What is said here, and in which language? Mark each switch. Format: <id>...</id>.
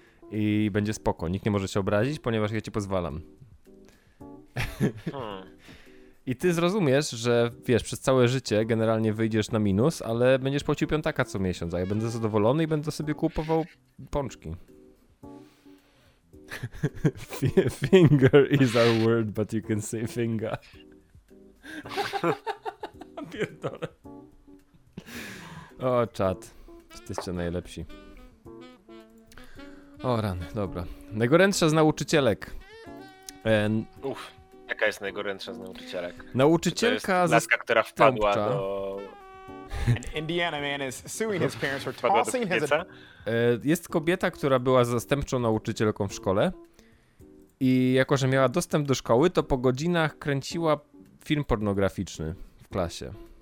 <pl>I będzie spoko, nikt nie może się obrazić, ponieważ ja ci pozwalam. I ty zrozumiesz, że wiesz, przez całe życie generalnie wyjdziesz na minus, ale będziesz płacił piątaka co miesiąc, a ja będę zadowolony i będę sobie kupował pączki.</pl> <en>Finger is our word, but you can say finger.</en> <pl>Pierdolę. O, czat. Jesteście najlepsi. O, rany, dobra. Najgorętsza z nauczycielek. Jaka jest najgorętsza z nauczycielek? Nauczycielka z laska, która wpadła do...</pl> <en>An Indiana man is suing his parents for tossing his...</en> <pl>Jest kobieta, która była zastępczą nauczycielką w szkole. I jako, że miała dostęp do szkoły, to po godzinach kręciła film pornograficzny w klasie.</pl>